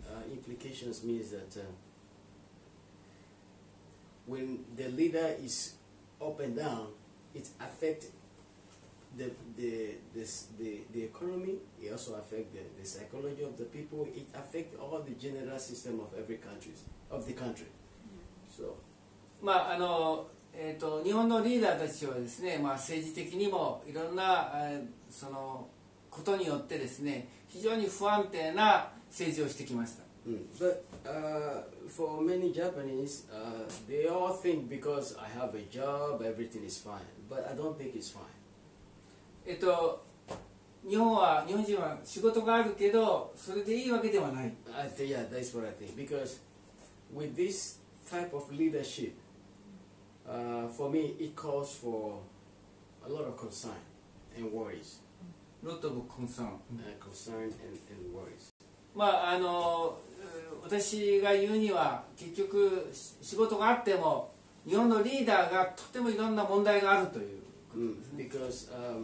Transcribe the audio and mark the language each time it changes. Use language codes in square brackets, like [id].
[en] Implications means that when the leader is up and down, it affects the economy, it also affects the psychology of the people, it affects all the general system of every country, of the country. So, [ja] まああの日本のリーダーたちはですね、まあ、政治的にもいろんな、そのことによってですね、非常に不安定な政治をしてきました。 [en] But for many Japanese, they all think because I have a job, everything is fine. But I don't think it's fine. [ja] 日本人は仕事があるけど、それでいいわけではない。 [en] Yeah, that's what I think. Because with this type of leadership,for me, it calls for a lot of concern and worries. Lot of concern. Concern and worries. [ja] まああの私が言うには結局仕事があっても日本のリーダーがとてもいろんな問題があるということですね。